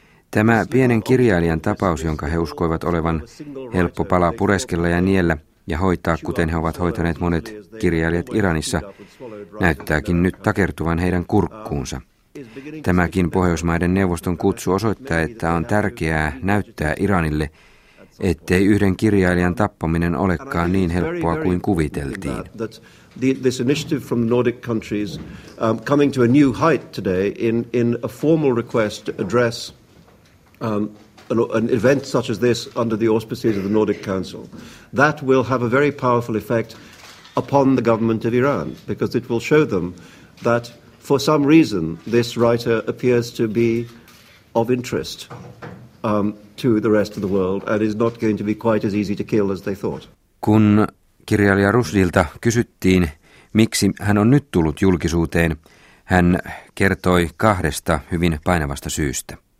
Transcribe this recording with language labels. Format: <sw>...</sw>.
<fi>Tämä pienen kirjailijan tapaus, jonka he uskoivat olevan helppo pala pureskella ja niellä ja hoitaa, kuten he ovat hoitaneet monet kirjailijat Iranissa, näyttääkin nyt takertuvan heidän kurkkuunsa. Tämäkin Pohjoismaiden neuvoston kutsu osoittaa, että on tärkeää näyttää Iranille, ettei yhden kirjailijan tappaminen olekaan niin helppoa kuin kuviteltiin.</fi> <en>This initiative from the Nordic countries coming to a new height today in a formal request to address an event such as this under the auspices of the Nordic Council, that will have a very powerful effect upon the government of Iran, because it will show them that for some reason this writer appears to be of interest to the rest of the world and is not going to be quite as easy to kill as they thought.</en> <fi>Kun kirjailija Rushdilta kysyttiin, miksi hän on nyt tullut julkisuuteen, hän kertoi kahdesta hyvin painavasta syystä.</fi>